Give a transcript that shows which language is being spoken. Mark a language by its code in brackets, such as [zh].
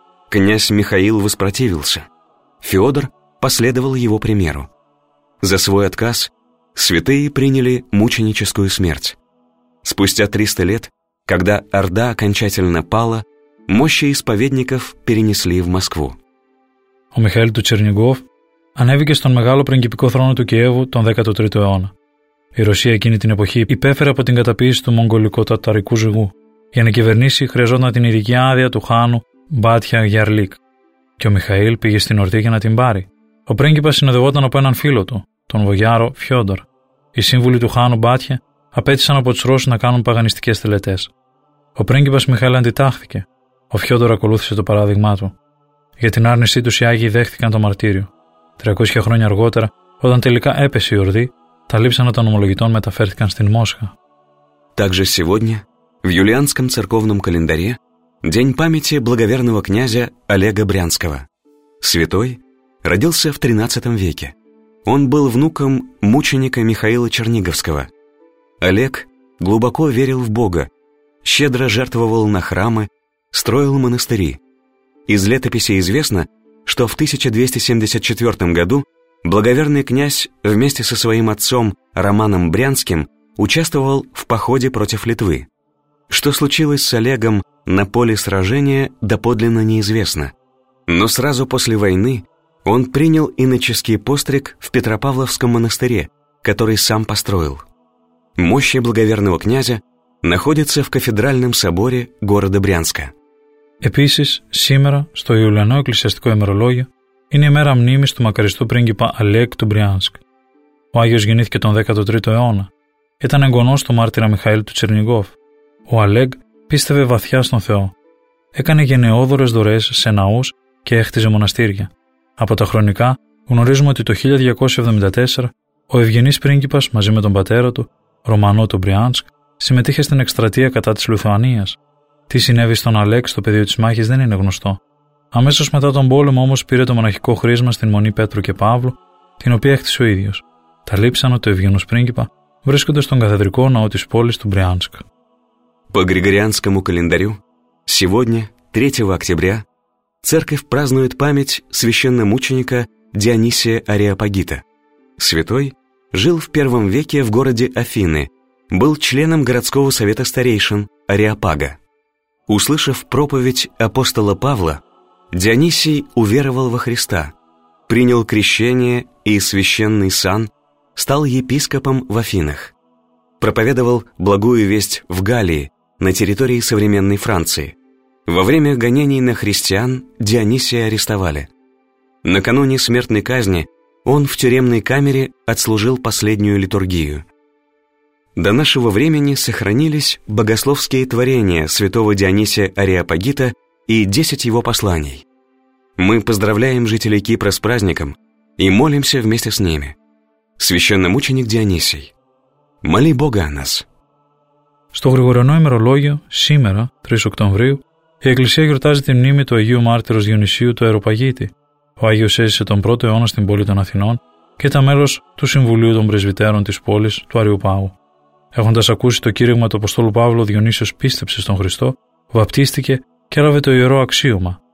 [ru] Князь Михаил воспротивился. Феодор последовал его примеру. За свой отказ святые приняли мученическую смерть. Спустя 300 лет, когда Орда окончательно пала, мощи исповедников перенесли в Москву. [el] Ο Михаήλ του Τσερνιγκόφ ανέβηκε στον μεγάλο πριγκιπικό θρόνο του Κιέβου τον 13ο αιώνα. Η Ρωσία εκείνη την εποχή υπέφερε από την καταπίεση του μογγολικο-ταταρικού ζυγού. Για να κυβερνήσει χρειαζόταν την ειδική άδεια του χάνου Μπάτια Γιαρλίκ. Και ο Μιχαήλ πήγε στην Ορδή για να την πάρει. Ο πρίγκιπας συνοδευόταν από έναν φίλο του, τον βογιάρο Φιόντορ. Οι σύμβουλοι του χάνου Μπάτια απέτησαν από τους Ρώσους να κάνουν παγανιστικές τελετές. Ο πρίγκιπας Μιχαήλ αντιτάχθηκε. Ο Φιόντορ ακολούθησε το παράδειγμά του. Για την άρνησή τους οι Άγιοι δέχτηκαν το μαρτύριο. 300 χρόνια αργότερα, όταν τελικά έπεσε η Ορδή, τα λείψανα των ομολογητών μεταφέρθηκαν στην Μόσχα. [ru] Также сегодня, в юлианском церковном календаре, день памяти благоверного князя Олега Брянского. Святой родился в 13 веке. Он был внуком мученика Михаила Черниговского. Олег глубоко верил в Бога, щедро жертвовал на храмы, строил монастыри. Из летописи известно, что в 1274 году благоверный князь вместе со своим отцом Романом Брянским участвовал в походе против Литвы. Что случилось с Олегом на поле сражения, доподлинно неизвестно. Но сразу после войны он принял иноческий постриг в Петропавловском монастыре, который сам построил. Мощи благоверного князя находятся в кафедральном соборе города Брянска. [el] Επίσης, σήμερα, στο Ιουλιανό Εκκλησιαστικό ημερολόγιο, είναι η μέρα μνήμης του μακαριστού πρίγκιπα Αλέκ του Μπριάνσκ. Ο Άγιος γεννήθηκε τον 13ο αιώνα. Ήταν εγγονός του μάρτυρα Μιχαήλ του Τσερνιγκόφ. Ο Αλέκ πίστευε βαθιά στον Θεό. Έκανε γενναιόδωρες δωρές σε ναούς και έχτιζε μοναστήρια. Από τα χρονικά, γνωρίζουμε ότι το 1274 ο ευγενής πρίγκιπας μαζί με τον πατέρα του, Ρωμανό του Μπριάνσκ, συμμετείχε στην εκστρατεία κατά της Λιθουανίας. Τι συνέβη στον Αλέκ στο πεδίο της μάχης δεν είναι γνωστό. Αμέσως μετά τον πόλεμο όμως πήρε το μοναχικό χρήσμα στην Μονή Πέτρου και Παύλου, την οποία έχτισε ο ίδιος. Τα λείψανα του ευγενούς πρίγκιπα βρίσκονται στον καθεδρικό ναό της πόλης του Μπριάνσκ. [ru] По григорианскому календарю, сегодня, 3 октября, церковь празднует память священномученика Дионисия Ареопагита. Святой жил в 1 веке в городе Афины, был членом городского совета старейшин Ареопага. Услышав проповедь апостола Павла, Дионисий уверовал во Христа, принял крещение и священный сан, стал епископом в Афинах. Проповедовал благую весть в Галлии, на территории современной Франции. Во время гонений на христиан Дионисия арестовали. Накануне смертной казни он в тюремной камере отслужил последнюю литургию. До нашего времени сохранились богословские творения святого Дионисия Ареопагита и 10 его посланий. Мы поздравляем жителей Кипра с праздником и молимся вместе с ними. Священномученик Дионисий, моли Бога о нас. [el] Στο Γρηγοριανό ημερολόγιο, σήμερα, 3 Οκτωβρίου, η Εκκλησία γιορτάζει τη μνήμη του Αγίου Μάρτυρος Διονυσίου του Αεροπαγίτη. Ο Άγιος έζησε τον 1ο αιώνα στην πόλη των Αθηνών και ήταν μέλος του Συμβουλίου των Πρεσβυτέρων της πόλης του Αριουπάγου. Έχοντας ακούσει το κήρυγμα του Αποστόλου Παύλου, Διονύσιος πίστεψε στον Χριστό, βαπτίστηκε και έλαβε το ιερό αξίωμα.